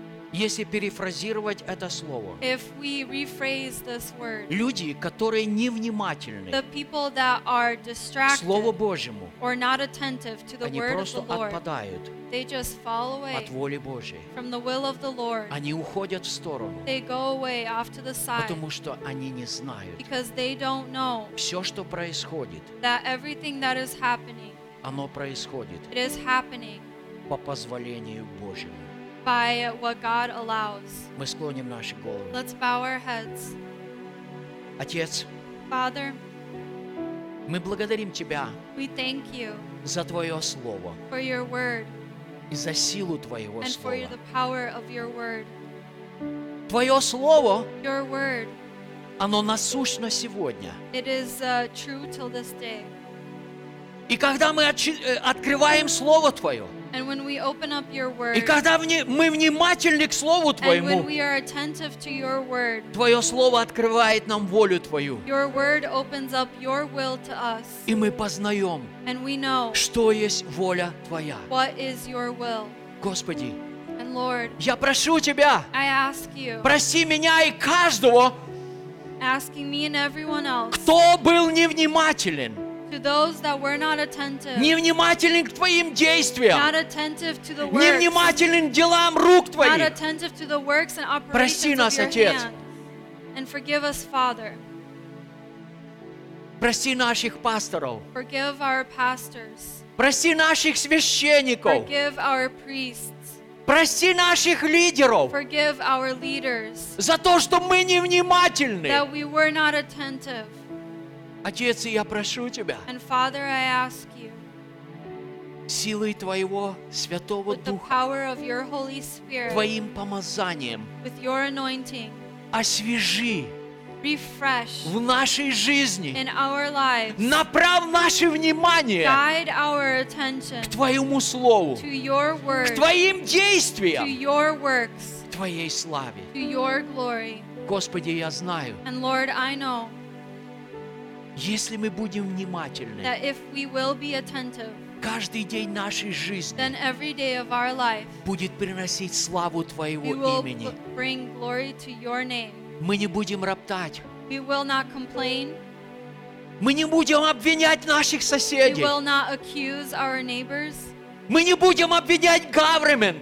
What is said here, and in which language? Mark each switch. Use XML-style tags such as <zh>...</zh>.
<ru>Если перефразировать это слово,</ru> <en>if we rephrase this word,</en> <ru>люди, которые невнимательны</ru> <en>the people that are distracted</en> <ru>к Слову Божьему,</ru> <en>or not attentive to the</en> <ru>они</ru> <en>word</en> <ru>просто</ru> <en>of the Lord,</en> <ru>отпадают.</ru> <en>They just fall away</en> <ru>от воли Божьей.</ru> <en>From the will of the Lord.</en> <ru>Они уходят в сторону.</ru> <en>They go away off to the side.</en> <ru>Потому что они не знают.</ru> <en>Because they don't know.</en> <ru>Все, что происходит.</ru> <en>That everything that is happening.</en> <ru>Оно происходит.</ru> <en>It is happening.</en> <ru>По позволению Божьему.</ru> <en>By what God allows.</en> <ru>Мы склоним наши головы.</ru> <en>Let's bow our heads.</en> <ru>Отец.</ru> <en>Father.</en> <ru>Мы благодарим Тебя.</ru> <en>We thank you.</en> <ru>За Твое Слово.</ru> <en>For your word.</en> <ru>И за силу Твоего</ru> <en>and</en> <ru>Слова.</ru> <en>For the power of your word.</en> <ru>Твое Слово</ru> <en>your word</en> <ru>оно насущно сегодня.</ru> <en>It is true till this day.</en> <ru>И когда мы открываем Слово Твое,</ru> <en>and when we open up your word,</en> <ru>и когда мы внимательны к Слову Твоему,</ru> <en>and when we are attentive to your word,</en> <ru>Твое Слово открывает нам волю Твою,</ru> <en>your word opens up your will to us,</en> <ru>и мы познаем,</ru> <en>and we know,</en> <ru>что есть воля Твоя.</ru> <en>What is your will?</en> <ru>Господи,</ru> <en>and Lord,</en> <ru>я прошу Тебя,</ru> <en>I ask you,</en> <ru>прости меня и каждого,</ru> <en>asking me and everyone else,</en> <ru>кто был невнимателен,</ru> <en>to those that were not attentive,</en> <ru>невнимательны к Твоим действиям,</ru> <en>not attentive to the works,</en> <ru>невнимательны к делам рук Твоих,</ru> <en>not attentive to the works and operations,</en> <ru>прости нас,</ru> <en>of your</en> <ru>Отец,</ru> <en>hand, and forgive us, Father.</en> <ru>Прости наших пасторов,</ru> <en>forgive our pastors,</en> <ru>прости наших священников,</ru> <en>forgive our priests,</en> <ru>прости наших лидеров,</ru> <en>forgive our leaders,</en> <ru>за то, что мы невнимательны,</ru> <en>that we were not attentive.</en> <ru>Отец, я прошу Тебя,</ru> <en>and Father, I ask you,</en> <ru>силой Твоего Святого</ru> <en>with</en> <ru>Духа,</ru> <en>the power of your Holy Spirit,</en> <ru>Твоим помазанием,</ru> <en>with your anointing,</en> <ru>освежи,</ru> <en>refresh,</en> <ru>в нашей жизни,</ru> <en>in our lives,</en> <ru>направ наше внимание,</ru> <en>guide our attention,</en> <ru>к Твоему Слову,</ru> <en>to your word,</en> <ru>к Твоим действиям,</ru> <en>to your works,</en> <ru>к Твоей славе,</ru> <en>to your glory.</en> <ru>Господи, я знаю,</ru> <en>and Lord, I know,</en> <ru>если мы будем внимательны,</ru> <en>that if we will be attentive,</en> <ru>каждый день нашей жизни,</ru> <en>then every day of our life,</en> <ru>будет приносить славу Твоего имени.</ru> <en>Bring glory to your name.</en> <ru>Мы не будем роптать.</ru> <en>We will not complain.</en> <ru>Мы не будем обвинять наших соседей.</ru> <en>We will not accuse our neighbors.</en> <ru>Мы не будем обвинять</ru> <en>government.</en>